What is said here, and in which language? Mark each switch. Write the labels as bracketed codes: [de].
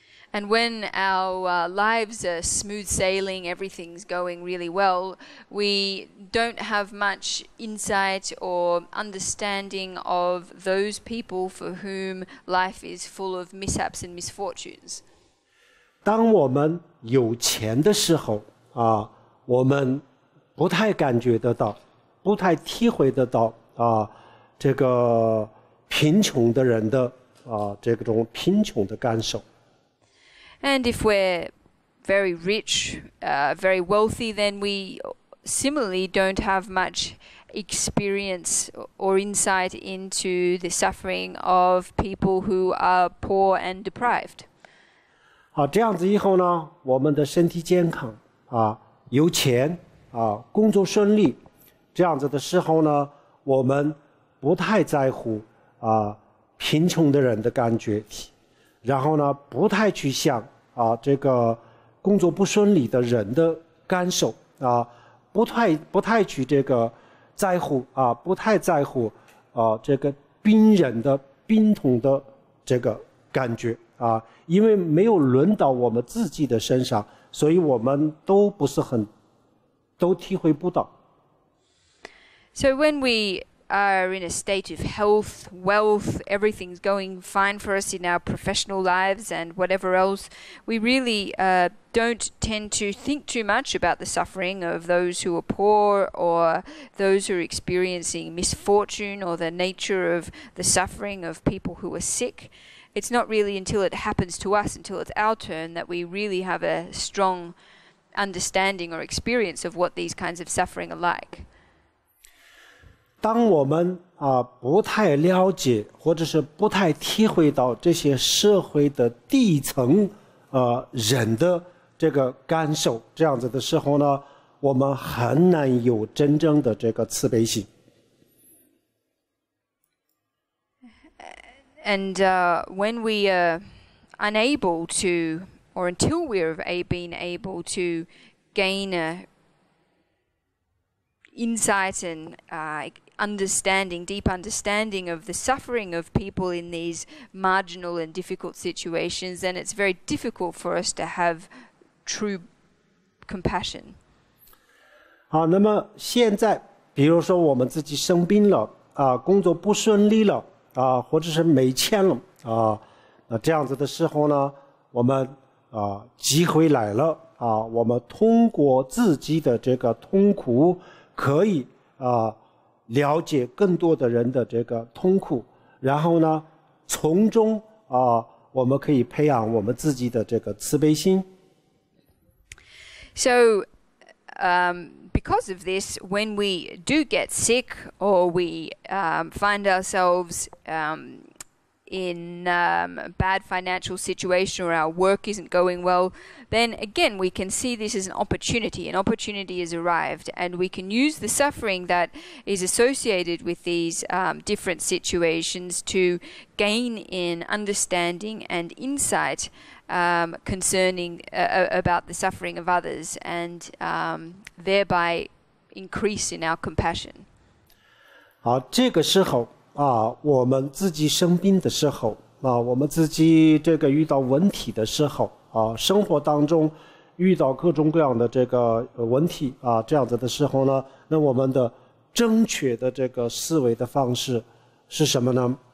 [en] And when our lives are smooth sailing, everything's going really well, we don't have much insight or understanding of those people for whom life is full of mishaps and misfortunes. [zh] 当我们有钱的时候我们不太感觉得到，不太体会得到这个贫穷的人的这种贫穷的感受。 [en] And if we're very rich, very wealthy, then we similarly don't have much experience or insight into the suffering of people who are poor and deprived. [zh] 好，这样子以后呢，我们的身体健康有钱工作顺利，这样子的时候呢，我们不太在乎贫穷的人的感觉，然后呢，不太去想这个工作不顺利的人的感受不太去这个在乎这个病人的病痛的这个感觉啊，因为没有轮到我们自己的身上，所以我们都不是很，都体会不到。 [en] So when we are in a state of health, wealth, everything's going fine for us in our professional lives and whatever else, we really don't tend to think too much about the suffering of those who are poor or those who are experiencing misfortune or the nature of the suffering of people who are sick. It's not really until it happens to us, until it's our turn, that we really have a strong understanding or experience of what these kinds of suffering are like. [zh] 当我们不太了解或者是不太体会到这些社会的底层人的这个感受这样子的时候呢，我们很难有真正的这个慈悲心。 [en] And when we are unable to, or until we are being able to gain insight and understanding, deep understanding of the suffering of people in these marginal and difficult situations, then it's very difficult for us to have true compassion. [zh] 好，那么现在，比如说我们自己生病了，工作不顺利了，或者是没钱了，那这样子的时候呢，我们机会来了，我们通过自己的这个痛苦，可以了解更多的人的这个痛苦，然后呢，从中我们可以培养我们自己的这个慈悲心。 [en] So, because of this, when we do get sick or we find ourselves in bad financial situation or our work isn't going well, then again we can see this as an opportunity. An opportunity has arrived and we can use the suffering that is associated with these different situations to gain in understanding and insight concerning about the suffering of others and thereby increase in our compassion. [zh] 好，这个时候我们自己生病的时候我们自己这个遇到问题的时候生活当中遇到各种各样的这个问题这样子的时候呢，那我们的正确的这个思维的方式是什么呢？